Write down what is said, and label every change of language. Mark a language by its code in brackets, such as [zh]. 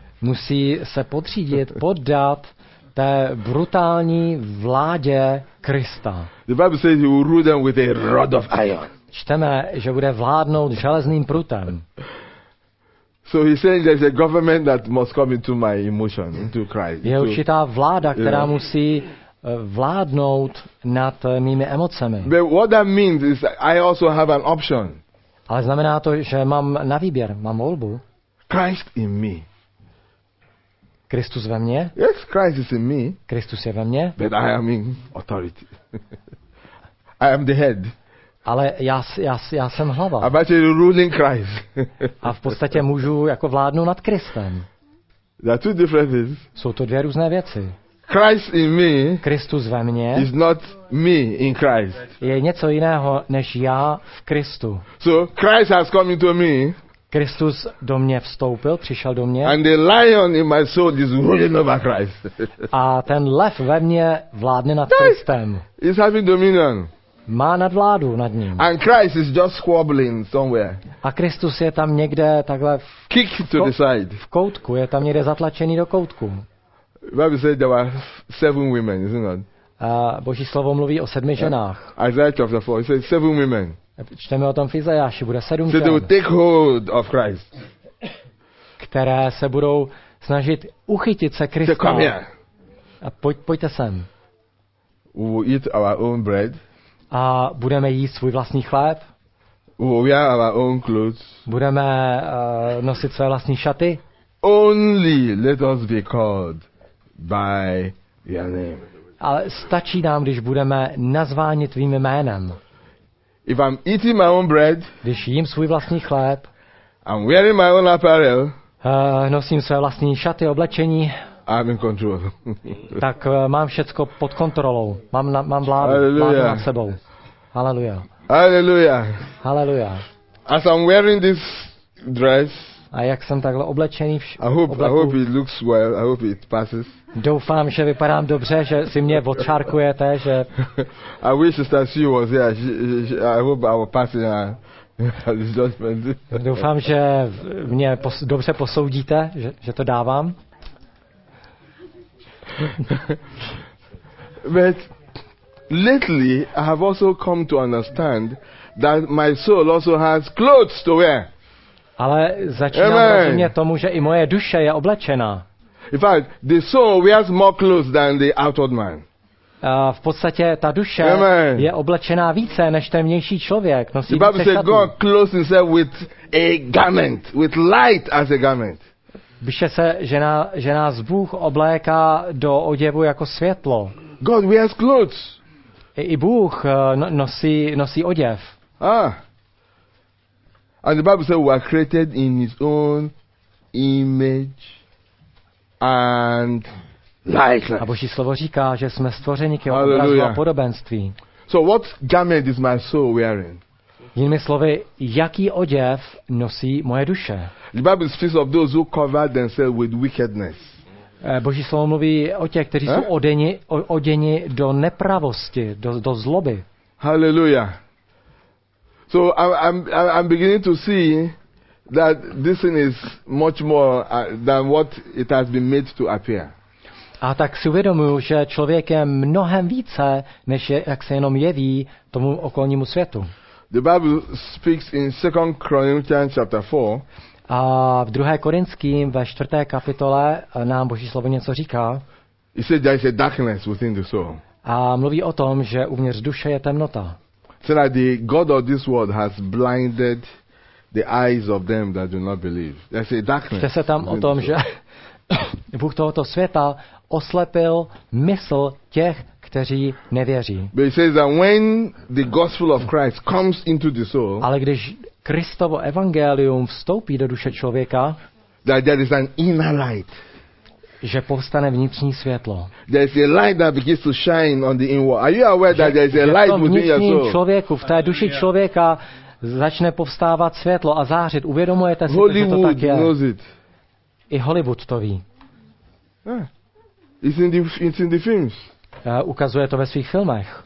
[cs] Musí se podřídit, poddat té brutální vládě Krista. [en] The Bible says he will rule them with a rod of iron. [cs] Čteme, že bude vládnout železným prutem. [en] So he says there's a government that must come into my emotion, into Christ. [cs] Je určitá vláda, která musí vládnout nad mými emocemi. [en] But what that means is I also have an option. [cs] Ale znamená to, že mám na výběr, mám volbu. [en] Christ in me. [cs] Kristus ve mně. [en] Yes, Christ is in me. [cs] Kristus je ve mně. [en] But I am in authority. I am the head. [cs] Ale já jsem hlava. [en] I'm actually ruling Christ. [cs] A v podstatě můžu jako vládnout nad Kristem. [en] There are two different things. [cs] Jsou to dvě různé věci. [en] Christ in me. [cs] Kristus ve mně. [en] Is not me in Christ. [cs] Je něco jiného než já v Kristu. [en] So Christ has come into me. [cs] Kristus do mě vstoupil, přišel do mě. [en] And the lion in my soul is ruling over Christ. [cs] A ten lev ve mně vládne nad Kristem. [en] He's having dominion. [cs] Má nadvládu nad ním. [en] And Christ is just squabbling somewhere. [cs] A Kristus je tam někde takhle v koutku, je tam někde zatlačený do koutku. [en] The Bible said there were seven women, isn't it? [cs] Boží slovo mluví o sedmi ženách. [en] Isaiah chapter 4, it says seven women. [cs] Čteme o tom v Izajáši, bude sedm žen. [en] So they will take hold of Christ. [cs] Které se budou snažit uchytit se Krista. [en] So come here. [cs] A pojďte sem. [en] We will eat our own bread. [cs] A budeme jíst svůj vlastní chléb. [en] We will wear our own clothes. [cs] Budeme nosit své vlastní šaty. [en] Only let us be called by your name. [cs] Ale stačí nám, když budeme nazváni tvým jménem. [en] If I'm eating my own bread, [cs] když jím svůj vlastní chléb, [en] I'm wearing my own apparel, [cs] nosím své vlastní šaty, oblečení, [en] I'm in control. [cs] Tak mám všecko pod kontrolou. Mám vládu, hallelujah, nad sebou. Haleluja. Haleluja. Haleluja. [en] As I'm wearing this dress, [cs] a jak jsem takhle oblečený [en] I hope it looks well. I hope it passes. [cs] Doufám, že vypadám dobře, že si mě odčárkujete, že [en] I wish Sister Sue was here. I hope I will pass in this judgment. [cs] Doufám, že mě dobře posoudíte, že to dávám. [en] But lately I have also come to understand that my soul also has clothes to wear. [cs] Ale začínám rozumět tomu, že i moje duše je oblečená. [en] In fact, the soul wears more clothes than the outward man. [cs] V podstatě ta duše je oblečená více než ten vnější člověk. Nosí [en] the Bible says God clothes himself with a garment, with light as a garment. [cs] Píše se, že nás Bůh obléká do oděvu jako světlo. [en] God wears clothes. [cs] I Bůh nosí oděv. Ah. [en] And the Bible says we are created in his own image and likeness. [cs] A Boží slovo říká, že jsme stvořeni k jeho obrazu a podobenství. [en] So what garment is my soul wearing? [cs] Jinými slovy, jaký oděv nosí moje duše? [en] The Bible speaks of those who cover themselves with wickedness. [cs] Boží slovo mluví o těch, kteří jsou oděni do nepravosti, do zloby. [en] Hallelujah. So I'm beginning to see that this thing is much more than what it has been made to appear. [cs] A tak si uvědomuji, že člověk je mnohem více, než jak se jenom jeví tomu okolnímu světu. [en] The Bible speaks in 2 Corinthians chapter 4. [cs] A v 2. Korinským ve 4. kapitole nám Boží slovo něco říká. [en] It says there is a darkness within the soul. [cs] A mluví o tom, že uvnitř duše je temnota. [en] So that the God of this world has blinded the eyes of them that do not believe. There's a darkness. [cs] Píše se tam o tom, že Bůh tohoto světa oslepil mysl těch, kteří nevěří. [en] But it says that when the gospel of Christ comes into the soul, [cs] ale když Kristovo evangelium vstoupí do duše člověka, [en] that there is an inner light. [cs] Že povstane vnitřní světlo. [en] There is a light that begins to shine on the inward. Are you aware that there is a light within your soul? [cs] Vnitřním člověku, v té duši člověka začne povstávat světlo a zářit. Uvědomujete si, [en] Hollywood, [cs] že to tak je? [en] Knows it. [cs] I Hollywood to ví. [en] Yeah. It's in the films. [cs] Ukazuje to ve svých filmech.